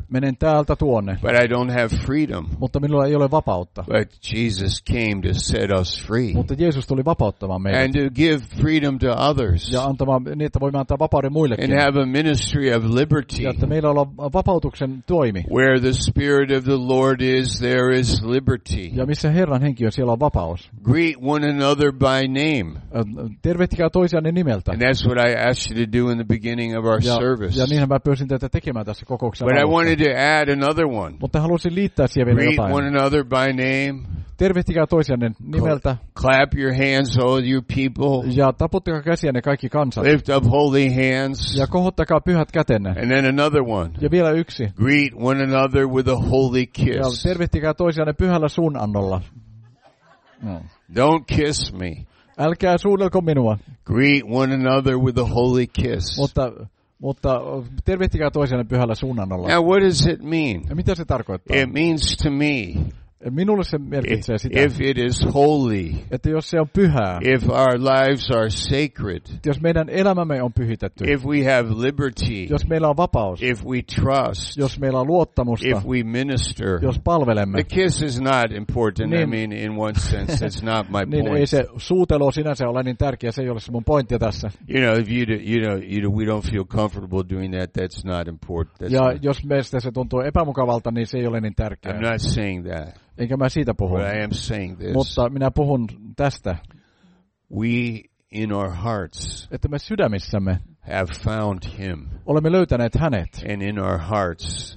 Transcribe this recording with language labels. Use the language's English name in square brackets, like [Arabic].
[Finnish] Menen täältä tuonne. [English] But I don't have freedom. [Finnish] Mutta minulla ei ole vapautta. [English] But Jesus came to set us free. [Finnish] Mutta Jeesus tuli vapauttamaan meidät. [English] And to give freedom to others. [Finnish] Ja antamaan niin, että voimme antaa vapauden muillekin. [English] And have a ministry of liberty. [Finnish] Ja että meillä on vapautuksen toimi. [English] Where the Spirit of the Lord is, there is liberty. [Finnish] Ja missä Herran henki on, siellä on vapaus. [English] Greet one another by name. [Finnish] Tervehtikää toisiaan. [English] And that's what I asked you to do in the beginning of our service. [Finnish] Ja niin mä pyysin teitä tekemään tässä kokouksessa. [English] But I wanted to add another one. [Finnish] Mutta halusin liittää siihen vielä jotain. [English] Greet one another by name. [Finnish] Tervehtikää toisianne nimeltä. [English] Clap your hands, all you people. [Finnish] Ja taputtakaa käsiänne kaikki kansat. [English] Lift up holy hands. [Finnish] Ja kohottakaa pyhät kätenne. [English] And then another one. [Finnish] Ja vielä yksi. [English] Greet one another with a holy kiss. [Finnish] Ja tervehtikää toisianne pyhällä suunannolla. [English] Don't kiss me. [Finnish] Älkää suudelko minua. [English] Greet one another with a holy kiss. [Finnish] Mutta tervehtikää toisianne pyhällä suunnannolla. [English] Now what does it mean? [Finnish] Mitä se tarkoittaa? [English] It means to me. [Finnish] Minulle se merkitsee sitä. [English] If it is holy. [Finnish] Että jos se on pyhää. [English] If our lives are sacred. [Finnish] Jos meidän elämämme on pyhitetty. [English] If we have liberty. [Finnish] Jos meillä on vapaus. [English] If we trust. [Finnish] Jos meillä on luottamusta. [English] If we minister. [Finnish] Jos palvelemme. [English] The kiss is not important. Niin. I mean in one sense it's not my point. [Finnish] Niin ei se suutelo sinänsä ole niin tärkeä, se ei ole se mun pointti tässä. [English] You know, if you do, we don't feel comfortable doing that, that's not important. [Finnish] Ja jos meistä se tuntuu epämukavalta, niin se ei ole niin tärkeä. [English] I'm not saying that. [Finnish] Enkä mä siitä puhu. [English] But I am saying this. [Finnish] Mutta minä puhun tästä. [English] We in our hearts. [Finnish] Että me sydämissämme. [English] Have found him. [Finnish] Olemme löytäneet hänet. [English] And in our hearts.